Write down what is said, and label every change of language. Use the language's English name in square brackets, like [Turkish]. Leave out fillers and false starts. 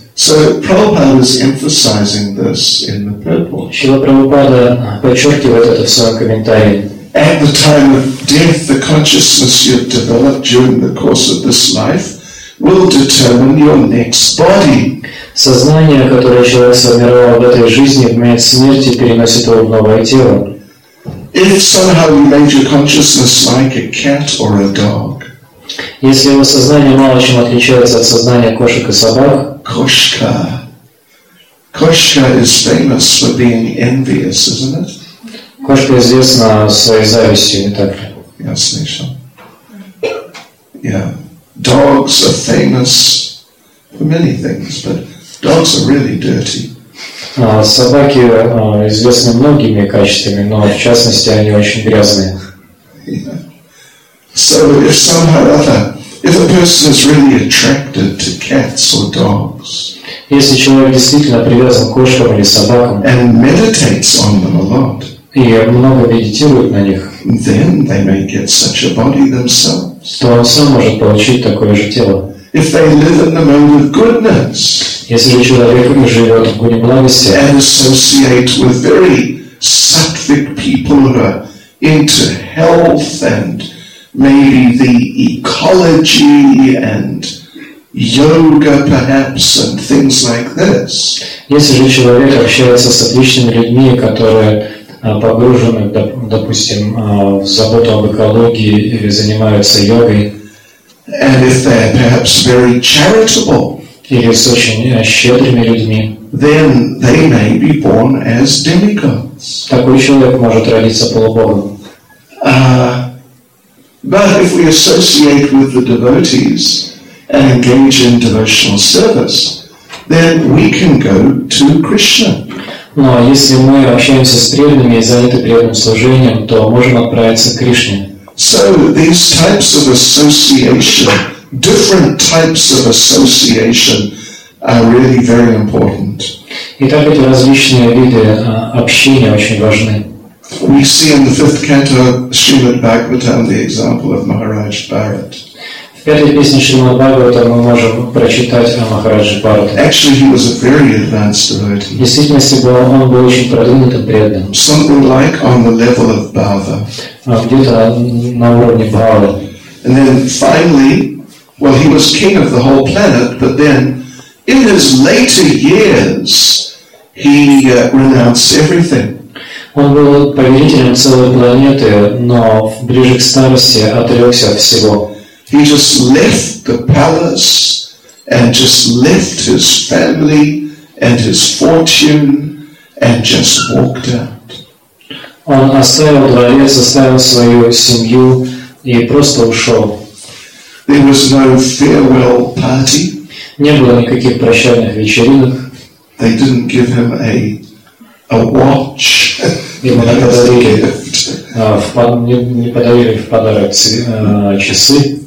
[English] So, Prabhupada is emphasizing this in the purport. [Russian] Шрила Прабхупада подчеркивает это в своем комментарии. [English] At the time of death, the consciousness you develop during the course of this life will determine your next body. [Russian] Сознание, которое человек сформировал в этой жизни, в момент смерти переносит его в новое тело. [English] If somehow you made your consciousness like a cat or a dog, [Russian] если его сознание мало чем отличается от сознания кошек и собак, кошка [English] is famous for being envious, isn't it? [Russian] Кошка известна своей завистью, так? [English] Yes, Nisha. Yeah, dogs are famous for many things, but dogs are really dirty. [Russian] Собаки известны многими качествами, но в частности они очень грязные. [English] Yeah. So if somehow other, if a person is really attracted to cats or dogs, [Russian] если человек действительно привязан к кошкам или собакам, [English] and meditates on them a lot, [Russian] и много медитирует на них, [English] then they may get such a body themselves. [Russian] То он сам может получить такое же тело. [English] If they live in the mode of goodness. [Russian] Если человек живет в Гуне Благости, [English] and associate with very sattvic people who are into health and maybe the ecology and yoga perhaps and things like this. [Russian] Если же человек общается с отличными людьми, которые погружены, допустим, в заботу об экологии или занимаются йогой, [English] And if they're perhaps very charitable, then they may be born as demigods. But if we associate with the devotees and engage in devotional service, then we can go to Krishna. [Russian] Но если мы общаемся с преданными и заняты преданным служением, то можем отправиться к Кришне. [English] So these types of association, different types of association, are really very important. [Russian] Итак, эти различные виды общения очень важны. [English] We see in the fifth canto Srimad Bhagavatam the example of Maharaj Bharat. [Russian] В пятой песне Шримад Бхагаватам мы можем прочитать о Махарадже Бхарате. [English] Actually, he was a very advanced devotee. [Russian] В действительности он был очень продвинутым преданным. [English] Something like on the level of Bhava. [Russian] Где-то на уровне Бхавы. [English] And then finally, well, he was king of the whole planet, but then in his later years he renounced everything. [Russian] Он был повелителем целой планеты, но ближе к старости отрекся от всего. [English] He just left the palace and just left his family and his fortune and just walked out. [Russian] Он оставил дворец, оставил свою семью и просто ушел. [English] There was no farewell party. [Russian] Не было никаких прощальных вечеринок. [English] They didn't give him a watch. [Russian] Ему не подарили в подарок часы.